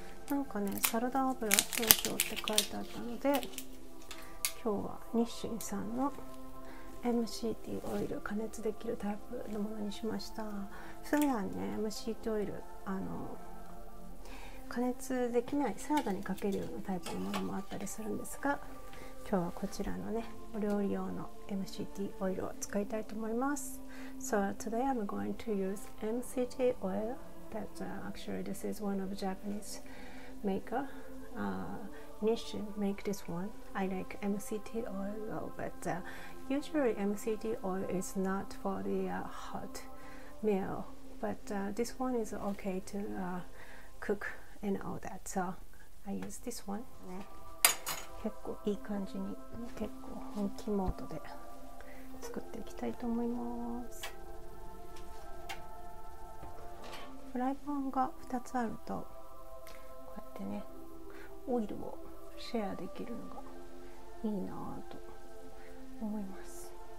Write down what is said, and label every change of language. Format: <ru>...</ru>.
<ja>なんかねサラダ油少々って書いてあったので、今日は日清さんのMCT オイル、加熱できるタイプのものにしました。普段ね MCT オイル加熱できないサラダにかけるようなタイプのものもあったりするんですが、今日はこちらのねお料理用の MCT オイルを使いたいと思います。</ja> <en>So today I'm going to use MCT oil. That's actually this is one of Japanese maker Nissin make this one. I like MCT oil a little bit Usually MCT oil is not for the hot meal, but this one is okay to cook and all that. So I use this one.</en> <ja>ね、結構いい感じに結構本気モードで作っていきたいと思います。フライパンが2つあるとこうやってねオイルをシェアできるのがいいなと思います。</ja>